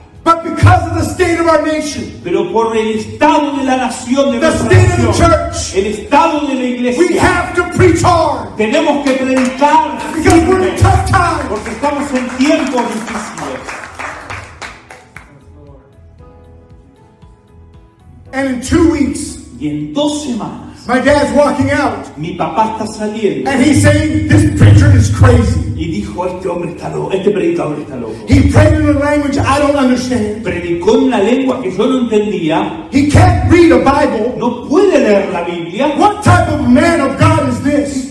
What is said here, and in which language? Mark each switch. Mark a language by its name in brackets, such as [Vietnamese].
[English] But because of the state of our nation. [Spanish] Pero por el estado de la nación de [English] the state [Spanish] nación, [English] of the church. [Spanish] El estado de la iglesia. [English] We have to preach hard. [Spanish] Tenemos que predicar. [English] Because we're in tough times. [Spanish] Porque estamos en tiempos difíciles. [English] And in 2 weeks. [Spanish] Y en 2 semanas. [English] My dad's walking out. [Spanish] Mi papá está saliendo. [English] And he's saying, this preacher is crazy. [Spanish] Y dijo, este hombre está loco. Este predicador está loco. [English] He prayed in a language I don't understand. [Spanish] Predicó en una lengua que yo no entendía. [English] He can't read a Bible. [Spanish] No puede leer la Biblia. [English] What type of man of God is this?